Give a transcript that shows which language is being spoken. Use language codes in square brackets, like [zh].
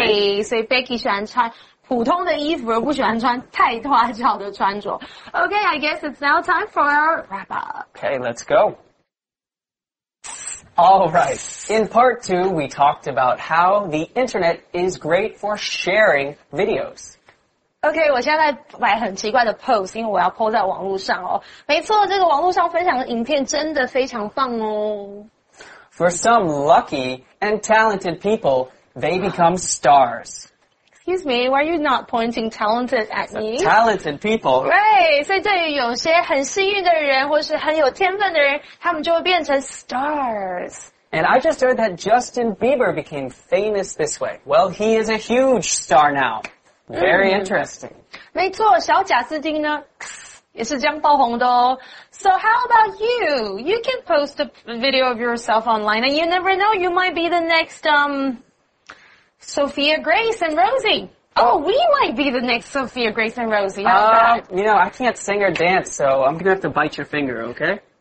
[en] Okay, so [zh] Becky 喜欢穿普通的衣服而不喜欢穿太花俏的穿着。 [en] Okay, I guess it's now time for our wrap-up. Okay, let's go. All right. In part two, we talked about how the internet is great for sharing videos. [zh] OK, 我现在在摆很奇怪的 pose, 因为我要 po 在网络上哦。没错，这个网络上分享的影片真的非常棒哦。 [en] For some lucky and talented people, they become stars. Excuse me, why are you not pointing talented at me? Talented people. [zh] Right, 所以对于有些很幸运的人或是很有天分的人他们就会变成 stars. [en] And I just heard that Justin Bieber became famous this way. Well, he is a huge star now. Very interesting. [zh] 没错，小贾斯汀呢也是这样爆红的哦。 [en] So how about you? You can post a video of yourself online and you never know, you might be the next, Sophia Grace and Rosie. Oh, we might be the next Sophia Grace and Rosie. How's that? You know, I can't sing or dance, so I'm gonna have to bite your finger, okay?